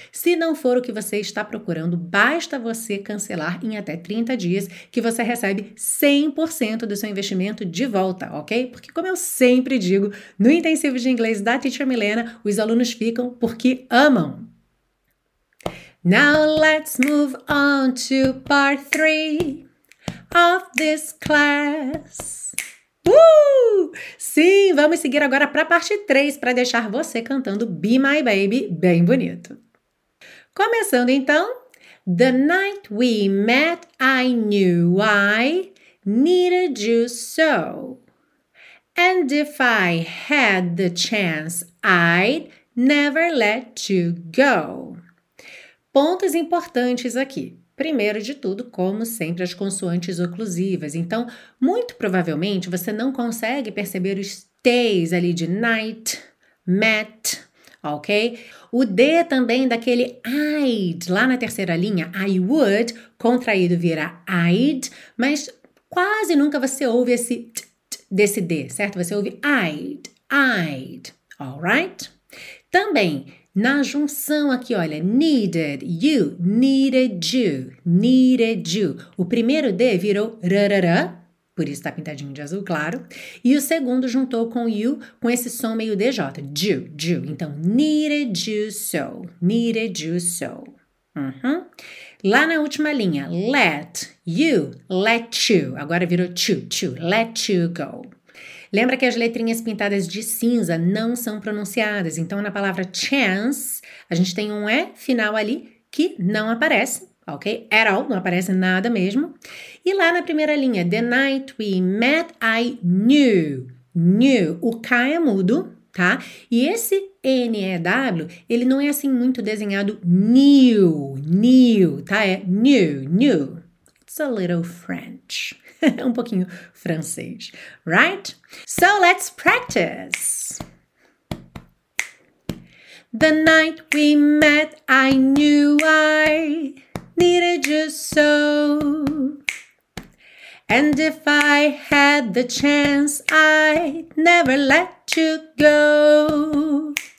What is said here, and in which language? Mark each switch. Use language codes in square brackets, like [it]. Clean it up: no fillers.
[pt] Se não for o que você está procurando, basta você cancelar em até 30 dias, que você recebe 100% do seu investimento de volta, ok? Porque, como eu sempre digo, no intensivo de inglês da Teacher Milena, os alunos ficam porque amam. [en] Now let's move on to part 3 of this class. [pt] Sim, vamos seguir agora para a parte 3 para deixar você cantando [en] Be My Baby [pt] bem bonito. Começando então, [en] The night we met, I knew I needed you so. And if I had the chance, I'd never let you go. [pt] Pontos importantes aqui. Primeiro de tudo, como sempre, as consoantes oclusivas. Então, muito provavelmente, você não consegue perceber os T's ali de night, met, ok? O D também daquele I'd, lá na terceira linha, [en] I would, [pt] contraído vira I'd, mas quase nunca você ouve esse t, desse D, certo? Você ouve I'd, I'd, alright? Também, na junção aqui, olha, [en] needed you, needed you, needed you. [pt] O primeiro D virou rarara, por isso tá pintadinho de azul, claro. E o segundo juntou com you, com esse som meio DJ, you, you. Então, [en] needed you so, needed you so. [pt] Lá na última linha, [en] let you, let you. [pt] Agora virou to, [en] let you go. [pt] Lembra que as letrinhas pintadas de cinza não são pronunciadas? Então, na palavra chance, a gente tem um E final ali que não aparece, ok? [en] At all, [pt] não aparece nada mesmo. E lá na primeira linha, [en] the night we met, I knew. [pt] Knew. O K é mudo, tá? E esse NEW, ele não é assim muito desenhado new, new, tá? É new, new. [en] It's a little French. [pt] Um pouquinho francês, right? [en] So let's practice. The night we met, I knew I needed you so. And if I had the chance, I'd never let you go.